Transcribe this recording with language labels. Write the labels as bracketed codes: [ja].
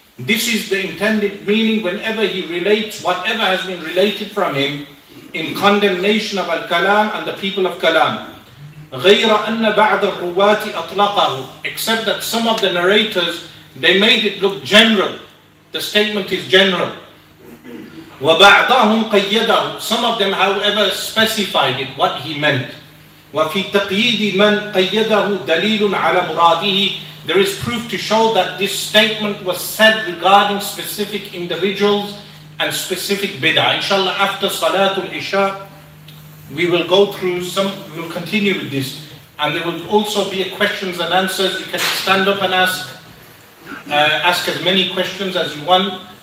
[en] This is the intended meaning whenever he relates whatever has been related from him in condemnation of al-kalam and the people of kalam. [ar] غير أن بعض الرواة أطلقه. [en] Except that some of the narrators, they made it look general. The statement is general. [ar] وبعضهم قيده. [en] Some of them, however, specified it, what he meant. [ar] وفي تقييد من قيده دليل على مراده. [en] There is proof to show that this statement was said regarding specific individuals and specific bid'ah. Inshallah, after Salatul Isha, we will go through some, we will continue with this. And there will also be a questions and answers. You can stand up and ask as many questions as you want.